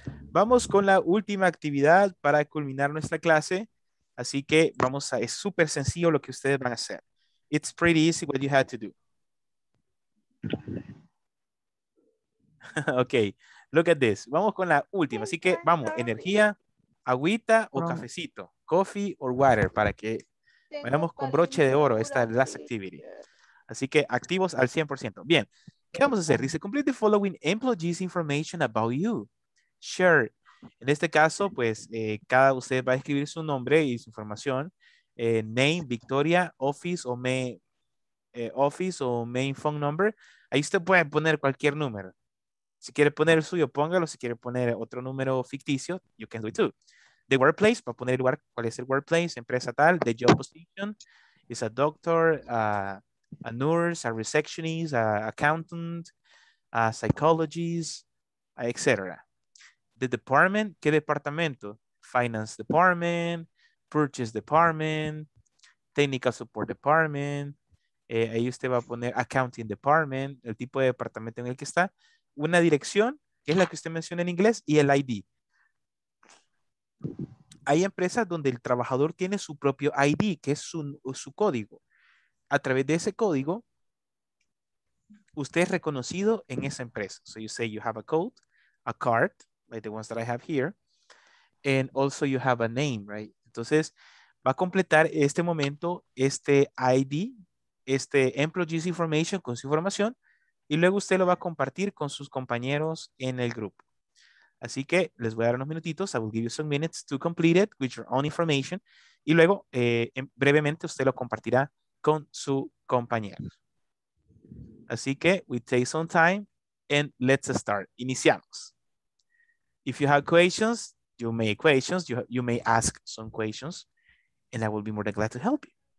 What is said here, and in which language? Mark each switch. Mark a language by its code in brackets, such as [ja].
[es] Vamos con la última actividad para culminar nuestra clase. Así que vamos a, es súper sencillo lo que ustedes van a hacer. [en] It's pretty easy what you had to do. [es] Ok, [en] look at this. [es] Vamos con la última. Así que vamos, energía, agüita o cafecito. [en] Coffee or water [es] para que vayamos con broche de oro esta last activity. Así que activos al 100%. Bien, ¿qué vamos a hacer? [en] Dice, complete the following employees information about you. Share. [es] En este caso, pues, cada usted va a escribir su nombre y su información. [en] Name, Victoria, office o main phone number. [es] Ahí usted puede poner cualquier número. Si quiere poner el suyo, póngalo. Si quiere poner otro número ficticio, [en] you can do it too. [es] The workplace, para poner el lugar, cuál es el workplace, empresa tal. [en] The job position, is a doctor, a nurse, a receptionist, a accountant, a psychologist, etc. The department, [es] ¿qué departamento? [en] Finance department, purchase department, technical support department, [es] ahí usted va a poner accounting department, el tipo de departamento en el que está, una dirección, que es la que usted menciona en inglés, y el ID. Hay empresas donde el trabajador tiene su propio ID, que es su código. A través de ese código, usted es reconocido en esa empresa. [en] So you say you have a coat, a card, like the ones that I have here, and also you have a name, right? [es] Entonces, va a completar este momento, este ID, este employee's information con su información, y luego usted lo va a compartir con sus compañeros en el grupo. Así que les voy a dar unos minutitos. [en] I will give you some minutes to complete it with your own information. [es] Y luego, brevemente, usted lo compartirá con su compañero. Así que, [en] we take some time and let's start. [es] Iniciamos. [en] If you have questions, you may ask some questions and I will be more than glad to help you.